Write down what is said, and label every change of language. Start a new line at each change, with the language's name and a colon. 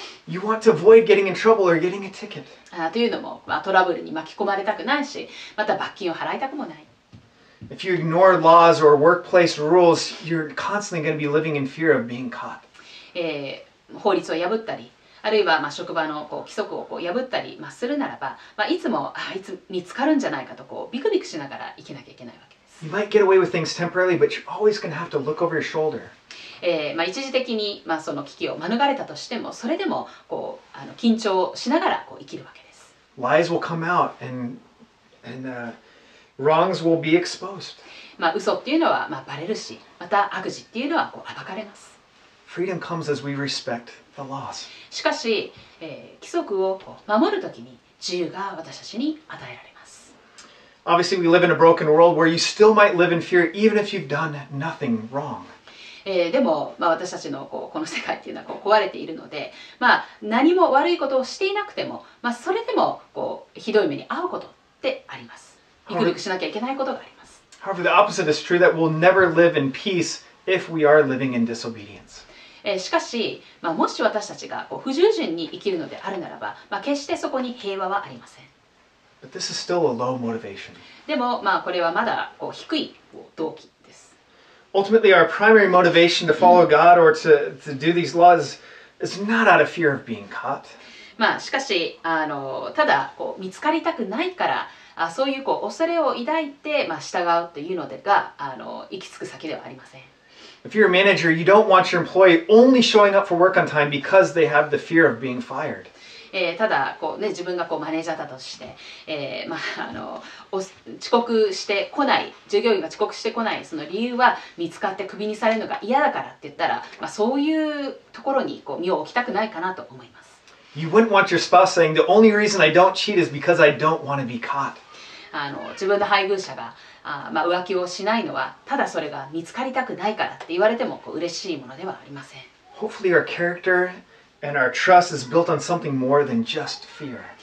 English: You want to avoid getting in trouble or getting a ticket.
Japanese: というのも、まあ、トラブルに巻き込まれたくないし、また罰金を払いたくもない。
English: If you ignore laws or workplace rules, you're constantly going to be living in fear of being caught.
Japanese: 法律を破ったり、あるいはまあ職場のこう規則をこう破ったり、まあ、するならば、まあ、いつもあいつ見つかるんじゃないかとこうビクビクしながら生きなきゃいけないわけです。
English: You might get away with things temporarily, but you're always going to have to look over your shoulder.
Japanese: まあ、一時的に、まあ、その危機を免れたとしてもそれでもこうあの緊張しながらこう生きるわけです。
English: Lies will come out and wrongs will be exposed.
Japanese: まあ嘘っていうのは、まあ、バレるし、また悪事っていうのはこう暴かれます。
English: Freedom comes as we respect the laws.
Japanese: しかし、規則をこう守るときに自由が私たちに与えられます。
English: Obviously we live in a broken world where you still might live in fear even if you've done nothing wrong.
Japanese: でも、まあ、私たちのこうこの世界っていうのはこう壊れているので、まあ、何も悪いことをしていなくても、まあ、それでもこうひどい目に遭うことってあります。ビクビクしなきゃいけないことがあります。
English: However, the opposite is true that we'll never live in peace if we are living in disobedience.
Japanese: しかし、まあ、もし私たちがこう不従順に生きるのであるならば、まあ、決してそこに平和はありません。
English: But this is still a low motivation.
Japanese: でも、まあ、これはまだこう低い動機。
English: Ultimately, our primary motivation to follow God or to do these laws is not out of fear of being caught.
Japanese: まあしかし、あのただこう見つかりたくないから、あそういうこう恐れを抱いてまあ従うというのでが、あの行き着く先ではありません。
English: If you're a manager, you don't want your employee only showing up for work on time because they have the fear of being fired.
Japanese: ただこう、ね、自分がこうマネージャーだとして、まあ、あの遅刻してこない、従業員が遅刻してこない、その理由は見つかってクビにされるのが嫌だからって言ったら、まあ、そういうところにこう身を置きたくないかなと思います。
English: You wouldn't want your spouse saying the only reason I don't cheat is because I don't want to be caught.
Japanese: 自分の配偶者が、まあ、浮気をしないのはただそれが見つかりたくないからって言われてもこう嬉しいものではありません。
English: Hopefully our characterAnd our trust is built on something more than just fear.